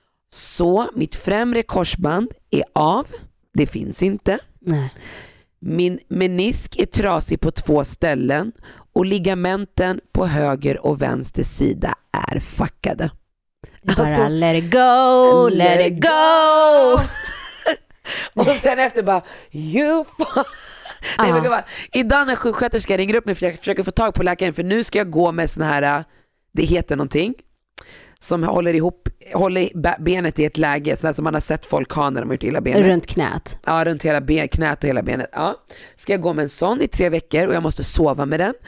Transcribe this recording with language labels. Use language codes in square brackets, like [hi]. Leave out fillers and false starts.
[sv] Så mitt främre korsband är av. Det finns inte. Nej. Min menisk är trasig på två ställen och ligamenten på höger och vänster sida är fuckade. Bara alltså, [en] let it go, let it go. [sv] Och sen efter bara, [en] you fuck. [sv] Nej, men gumman, idag när sjuksköterska ringer upp mig, för jag försöker få tag på läkaren, för nu ska jag gå med sån här, det heter någonting, som håller ihop, håller benet i ett läge så som man har sett folk ha när de har gjort illa benet. Runt knät. Ja, runt hela knät och hela benet. Ja. Ska jag gå med en sån i 3 veckor och jag måste sova med den.